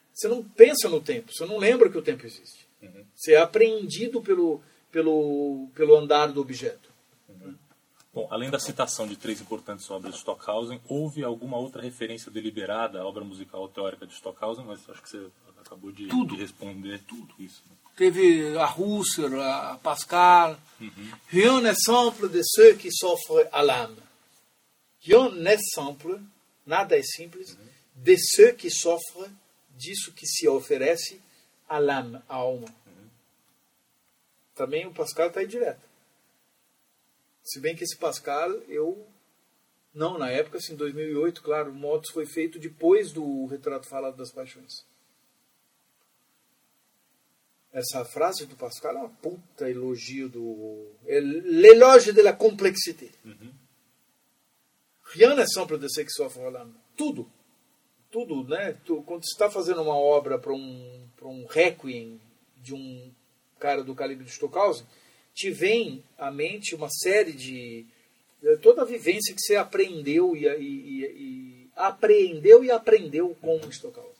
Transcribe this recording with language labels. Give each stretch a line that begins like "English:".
Portuguese: Você não pensa no tempo, você não lembra que o tempo existe. Uhum. Você é apreendido pelo andar do objeto. Bom, além da citação de três importantes obras de Stockhausen, houve alguma outra referência deliberada à obra musical ou teórica de Stockhausen? Mas acho que você acabou de responder tudo isso. Né? Teve a Husser, a Pascal.
French: Rien n'est simple de ceux qui souffrent à l'âme. Rien n'est simple,
Portuguese: nada é simples,
French: de ceux qui souffrent,
Portuguese: disso que se oferece
French: à l'âme,
Portuguese: à alma. Também o Pascal está aí direto. Se bem que esse Pascal, na época, assim, 2008, claro, o Motus foi feito depois do Retrato Falado das Paixões. Essa frase do Pascal é uma puta elogio do...
French: É l'éloge de la complexité. Rien n'est simple de ceux qui souffrent à l'âme.
Portuguese: Tudo, né? Quando você está fazendo uma obra para um requiem de um cara do calibre de Stockhausen, te vem à mente uma série de... Toda a vivência que você aprendeu e apreendeu e aprendeu com o Stockhausen.